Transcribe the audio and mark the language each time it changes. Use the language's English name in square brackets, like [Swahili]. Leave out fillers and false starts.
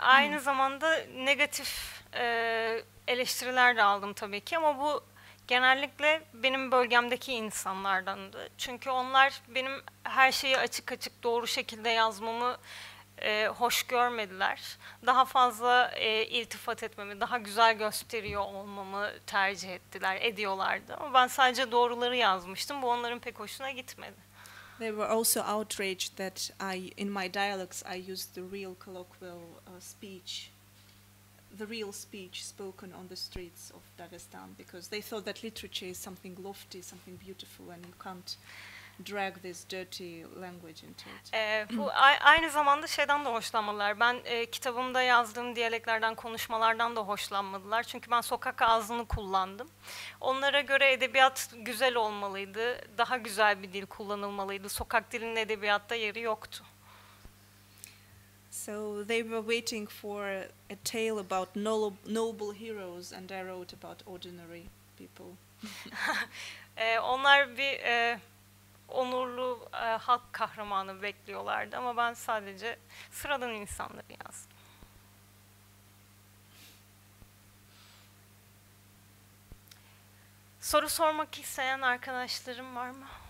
[Turkish] Aynı zamanda negatif eleştiriler de aldım tabii ki, ama bu genellikle benim bölgemdeki insanlardandı. Çünkü onlar benim her şeyi açık açık doğru şekilde yazmamı hoş görmediler. Daha fazla iltifat etmemi, daha güzel gösteriyor olmamı tercih ettiler, ediyorlardı. Ama ben sadece doğruları yazmıştım. Bu onların pek hoşuna gitmedi. [English] They were also outraged that in my dialogues I used the real colloquial speech. The real speech spoken on the streets of Dagestan, because they thought that literature is something lofty, something beautiful, and you can't drag this dirty language into it. [Turkish] Bu aynı zamanda şeyden de hoşlanmadılar. Ben kitabımda yazdığım diyaleklerden, konuşmalardan da hoşlanmadılar. Çünkü ben sokak ağzını kullandım. Onlara göre edebiyat güzel olmalıydı, daha güzel bir dil kullanılmalıydı. Sokak dilinin edebiyatta yeri yoktu. [English] So they were waiting for a tale about noble heroes, and I wrote about ordinary people. [Turkish] Onlar bir onurlu halk kahramanı bekliyorlardı, ama ben sadece sıradan insanları yazdım. Soru sormak isteyen arkadaşlarım var mı?